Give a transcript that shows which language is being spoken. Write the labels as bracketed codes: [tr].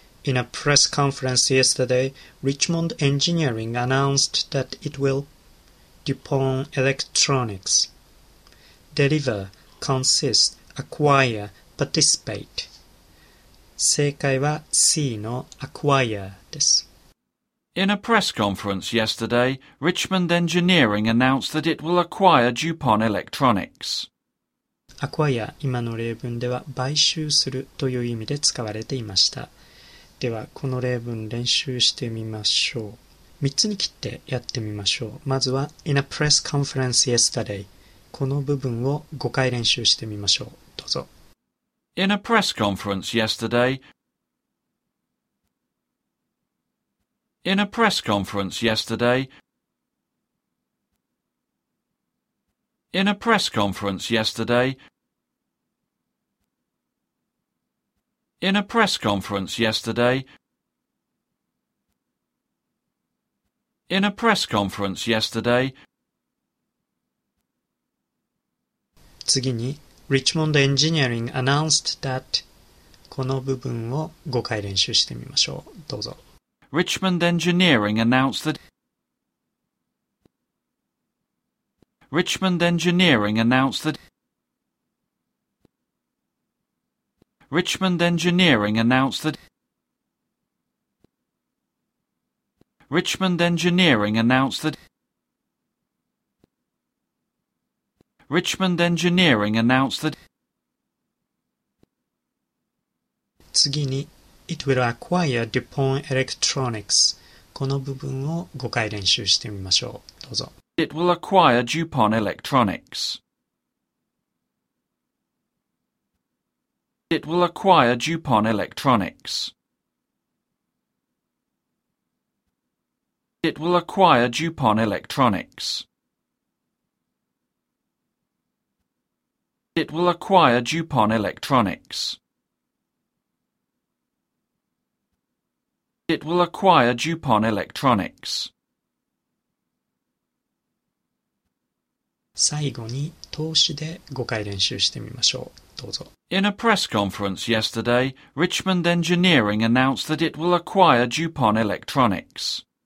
[en] In a press conference yesterday, Richmond Engineering announced that it will DuPont Electronics deliver, consist, acquire, participate. [ja] 正解は C の acquire です。 [en] In a press conference yesterday, Richmond Engineering announced that it will acquire DuPont Electronics. [ja] アクワイア、今の例文では買収するという意味で使われていました。ではこの例文練習してみましょう。 3つに切ってやってみましょう。まずは [en] In a press conference yesterday [ja] この部分を5回練習してみましょう。どうぞ。 [en] In a press conference yesterday In a press conference yesterdayIn a press conference yesterday. In a press conference yesterday. In a press conference yesterday. [ja] 次に、 [en] Richmond Engineering announced that [ja] この部分を5回練習してみましょう。どうぞ。 [en] Richmond Engineering announced thatRichmond Engineering announced that Richmond Engineering announced that Richmond Engineering announced that Richmond Engineering announced that [ja] 次に [en] It will acquire DuPont Electronics [ja] この部分を5回練習してみましょう。どうぞ。 [en] It will acquire DuPont Electronics. It will acquire DuPont Electronics. It will acquire DuPont Electronics. It will acquire DuPont Electronics. It will acquire DuPont Electronics. [ja] 最後に投資で5回練習してみましょう。どうぞ。 [en] In a press conference yesterday, Richmond Engineering announced that it will acquire DuPont Electronics.